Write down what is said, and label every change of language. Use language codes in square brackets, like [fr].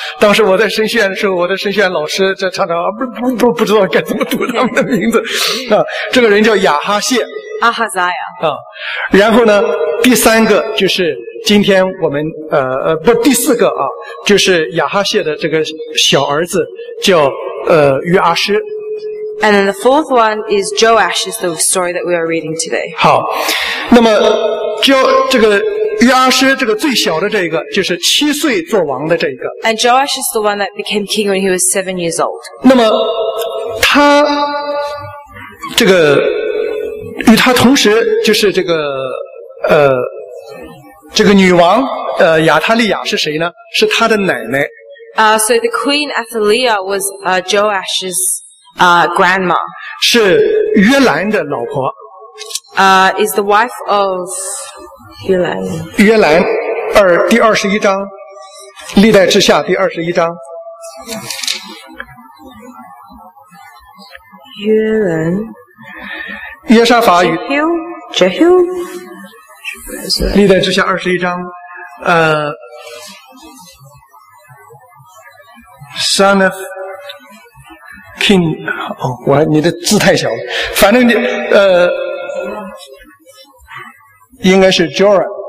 [zh] 当时我在神学院的时候，我的神学院老师在常常不知道该怎么读他们的名字啊。这个人叫亚哈谢，阿哈扎亚啊。然后呢，第三个就是今天我们第四个啊，就是亚哈谢的这个小儿子叫约阿诗。 [en] And then the fourth one is Joash, is the story that we are reading today. [zh] 好，那么这个约阿诗这个最小的这个就是七岁做王的这个。 [en] And Joash is the one that became king when he was 7 years old. [zh] 那么他这个与他同时就是这个这个女王亚他利亚是谁呢？是他的奶奶。 [en] So the queen Athaliah was Joash's grandma. [zh] 是约兰的老婆。 [en] Is the wife of 约兰。 [zh] 约兰，第二十一章，历代志下第二十一章。约伦。约沙法与。 [en] Jehu。 [zh] 历代志下二十一章， [en] Son of King， [zh] 哦，我你的字太小了，反正你应该是 Joram。